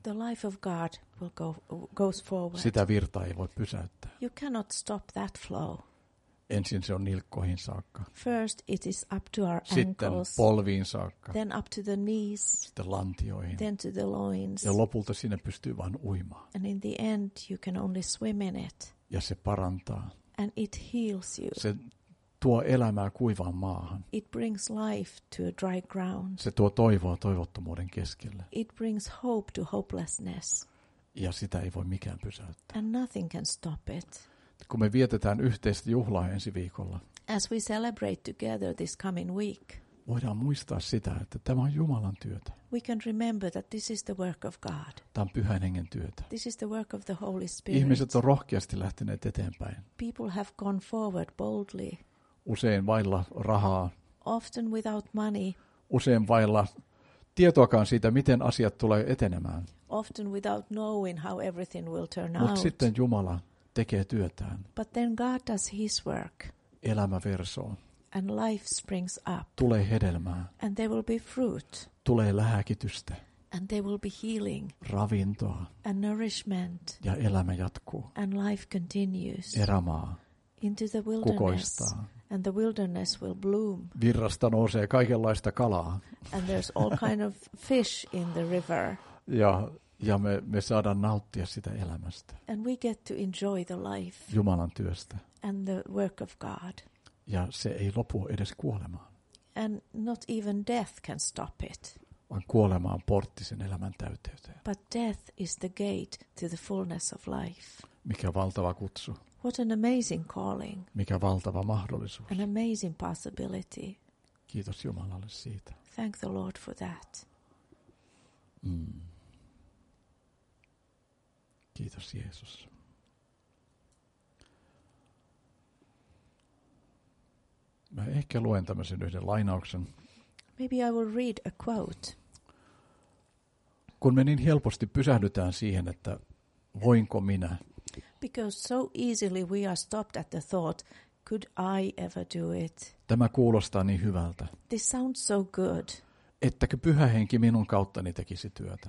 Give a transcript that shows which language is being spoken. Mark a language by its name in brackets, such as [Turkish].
[English] The life of God will goes forward. [Finnish] Sitä virtaa ei voi pysäyttää. [English] You cannot stop that flow. [Finnish] Ensin se on nilkkoihin saakka. [English] First it is up to our ankles. [Finnish] Sitten polviin saakka. [English] Then up to the knees. [Finnish] Sitten lantioihin. [English] Then to the loins. [Finnish] Ja lopulta sinne pystyy vain uimaan. [English] And in the end you can only swim in it. [Finnish] Ja se parantaa. [English] And it heals you. [Finnish] Se tuo elämää kuivaan maahan. [English] It brings life to a dry ground. [Finnish] Se tuo toivoa toivottomuuden keskelle. [English] It brings hope to hopelessness. [Finnish] Ja sitä ei voi mikään pysäyttää. [English] And nothing can stop it. [Finnish] Kun me vietetään yhteistä juhlaa ensi viikolla. [English] As we celebrate together this coming week. [Finnish] Voidaan muistaa sitä, että tämä on Jumalan työtä. [English] We can remember that this is the work of God. [Finnish] Tämä on Pyhän Hengen työtä. [English] This is the work of the Holy Spirit. [Finnish] Ihmiset on rohkeasti lähteneet eteenpäin. [English] People have gone forward boldly. [Finnish] Usein vailla rahaa. [English] Often without money. [Finnish] Usein vailla tietoakaan siitä, miten asiat tulee etenemään. [English] Often without knowing how everything will turn out. [Finnish] Mutta sitten Jumala tekee työtään. [English] But then God does his work. [Finnish] Elämä versoo. [English] And life springs up. [Finnish] Tulee hedelmää. [English] And there will be fruit. [Finnish] Tulee lääkitystä. [English] And there will be healing. [Finnish] Ravintoa. [English] And nourishment. [Finnish] Ja elämä jatkuu. [English] And life continues. [Finnish] Erämaa. [English] Into the wilderness. [Finnish] Kukoistaa. [English] And the wilderness will bloom. [Finnish] Virrasta nousee kaikenlaista kalaa. [English] And there's all kind of fish in the river. [Finnish] Ja me saadaan nauttia sitä elämästä. [English] And we get to enjoy the life. [Finnish] Jumalan työstä. [English] And the work of God. [Finnish] Ja se ei lopu edes kuolemaan. [English] And not even death can stop it. [Finnish] Vaan kuolema on portti sen elämän täyteyteen. [English] But death is the gate to the fullness of life. [Finnish] Mikä valtava kutsu. [English] What an amazing calling. [Finnish] Mikä valtava mahdollisuus. [English] An amazing possibility. [Finnish] Kiitos Jumalalle siitä. [English] Thank the Lord for that. Mm. [Finnish] Kiitos Jeesus. Mä ehkä luen tämmöisen yhden lainauksen. [English] Maybe I will read a quote. [Finnish] Kun me niin helposti pysähdytään siihen, että voinko minä. [English] Because so easily we are stopped at the thought, could I ever do it? [Finnish] Tämä kuulostaa niin hyvältä. [English] This sounds so good. [Finnish] Ettäkö Pyhä Henki minun kauttani tekisi työtä?